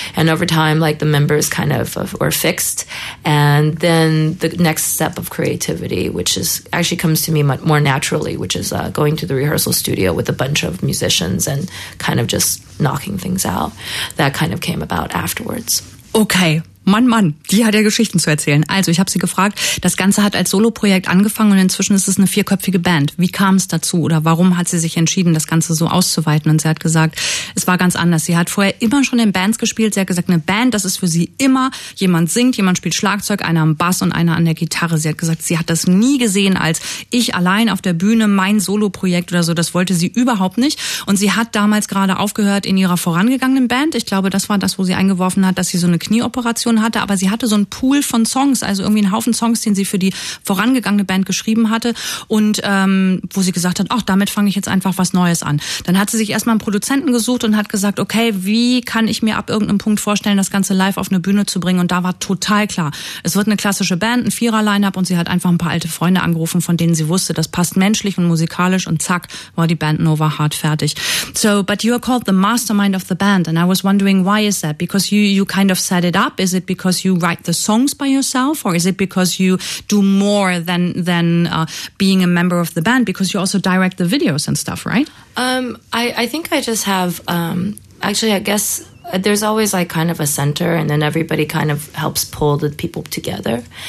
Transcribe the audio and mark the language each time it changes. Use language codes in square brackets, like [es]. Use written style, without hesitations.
[en] And over time, like the members kind of were fixed. And then the next step of creativity, which is actually comes to me much more naturally, which is going to the rehearsal studio with a bunch of musicians and kind of just knocking things out. That kind of came about afterwards. [de] Okay. Mann, die hat ja Geschichten zu erzählen. Also, ich habe sie gefragt, das Ganze hat als Soloprojekt angefangen und inzwischen ist es eine 4-köpfige Band. Wie kam es dazu oder warum hat sie sich entschieden, das Ganze so auszuweiten? Und sie hat gesagt, es war ganz anders. Sie hat vorher immer schon in Bands gespielt. Sie hat gesagt, eine Band, das ist für sie immer, jemand singt, jemand spielt Schlagzeug, einer am Bass und einer an der Gitarre. Sie hat gesagt, sie hat das nie gesehen als ich allein auf der Bühne, mein Soloprojekt oder so. Das wollte sie überhaupt nicht. Und sie hat damals gerade aufgehört in ihrer vorangegangenen Band. Ich glaube, das war das, wo sie eingeworfen hat, dass sie so eine Knieoperation gefunden hatte, aber sie hatte so einen Pool von Songs, also irgendwie einen Haufen Songs, den sie für die vorangegangene Band geschrieben hatte und wo sie gesagt hat, ach, damit fange ich jetzt einfach was Neues an. Dann hat sie sich erstmal einen Produzenten gesucht und hat gesagt, okay, wie kann ich mir ab irgendeinem Punkt vorstellen, das Ganze live auf eine Bühne zu bringen, und da war total klar, es wird eine klassische Band, ein Vierer-Line-Up, und sie hat einfach ein paar alte Freunde angerufen, von denen sie wusste, das passt menschlich und musikalisch, und zack, war die Band Nova Heart fertig. [en] So, but you are called the mastermind of the band, and I was wondering, why is that? Because you kind of set it up? Is it because you write the songs by yourself, or is it because you do more than being a member of the band? Because you also direct the videos and stuff, right? I think I just have, actually, I guess there's always like kind of a center, and then everybody kind of helps pull the people together.